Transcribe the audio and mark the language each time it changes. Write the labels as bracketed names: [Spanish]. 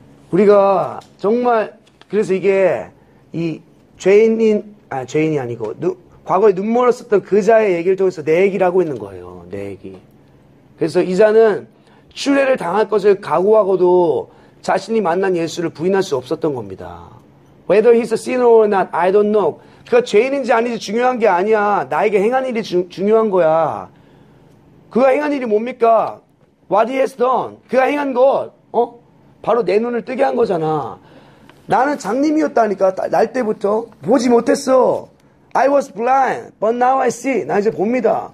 [Korean] 우리가 정말 그래서 이게 이 죄인인 아 죄인이 아니고 과거에 눈멀었었던 그 자의 얘기를 통해서 내 얘기를 하고 있는 거예요. 내 얘기. 그래서 이 자는 출애를 당할 것을 각오하고도 자신이 만난 예수를 부인할 수 없었던 겁니다. [English] Whether he's a sinner or not, I don't know. [Korean] 그가 죄인인지 아닌지 중요한 게 아니야. 나에게 행한 일이 중요한 거야. 그가 행한 일이 뭡니까? [English] What he has done. [Korean] 그가 행한 것. 어? 바로 내 눈을 뜨게 한 거잖아. 나는 장님이었다니까. 날 때부터. 보지 못했어. [English] I was blind. But now I see. [Korean] 나 이제 봅니다.